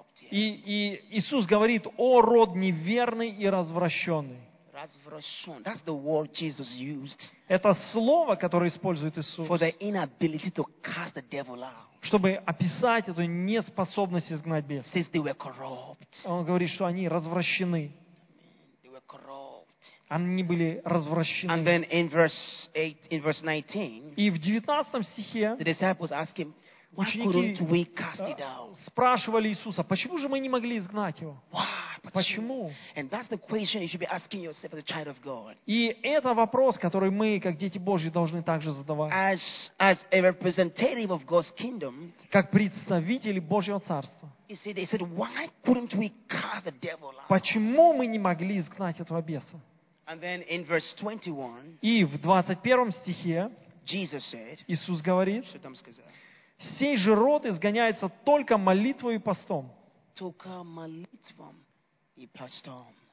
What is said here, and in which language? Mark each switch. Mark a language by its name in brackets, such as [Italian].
[Russian] И Иисус говорит: о род неверный и развращенный. [English] That's the word Jesus used. [Russian] Это слово, которое использует Иисус. [English] For the inability to cast the devil out. [Russian] Чтобы описать эту неспособность изгнать бес. [English] Since they were corrupt. [Russian] Он говорит, что они развращены. [English] They were corrupt. [Russian] Они были развращены. [English] And then in verse 8, in verse 19. [Russian] И в 19 стихе. [English] The disciples ask him, [Russian] ученики спрашивали Иисуса, почему же мы не могли изгнать его? Почему? [English] And that's the question you should be asking yourself as a child of God. [Russian] И это вопрос, который мы, как дети Божьи, должны также задавать. [English] As a representative of God's kingdom, [Russian] как представители Божьего царства. [English] You see, they said, why couldn't we cast the devil out? [Russian] Почему мы не могли изгнать этого беса? [English] And then in verse 21, [Russian] и в 21 стихе [English] Jesus said, [Russian] Иисус говорит, что там сказал? Сей же род изгоняется только молитвой и постом. Только молитвом и постом.